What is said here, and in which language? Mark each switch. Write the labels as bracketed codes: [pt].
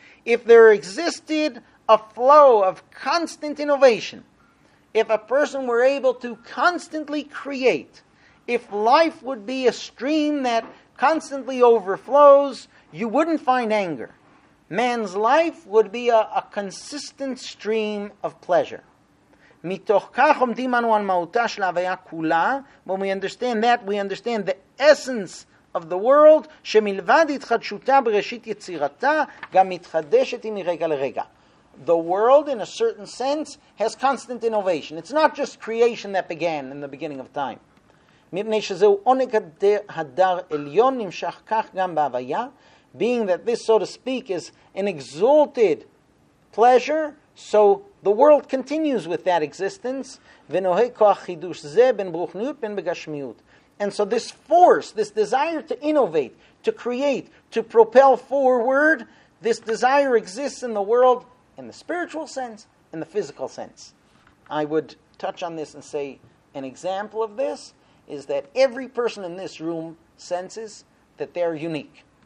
[en] If there existed a flow of constant innovation, if a person were able to constantly create, if life would be a stream that constantly overflows, you wouldn't find anger. Man's life would be a consistent stream of pleasure. [he] מתוך כך עומדים אנו על מהותה של ההוויה כולה. [en] When we understand that, we understand the essence of the world, [he] שמלבד התחדשותה בראשית יצירתה, גם מתחדשת היא מרגע לרגע. [en] The world, in a certain sense, has constant innovation. It's not just creation that began in the beginning of time. [he] מפני שזהו עונג הדר עליון נמשך כך גם בהוויה, [en] being that this, so to speak, is an exalted pleasure, so the world continues with that existence. [he] ונוהג כוח חידוש זה בין ברוכניות בין בגשמיות. [en] And so this force, this desire to innovate, to create, to propel forward, this desire exists in the world in the spiritual sense, in the physical sense. I would touch on this and say an example of this is that every person in this room senses that they're unique.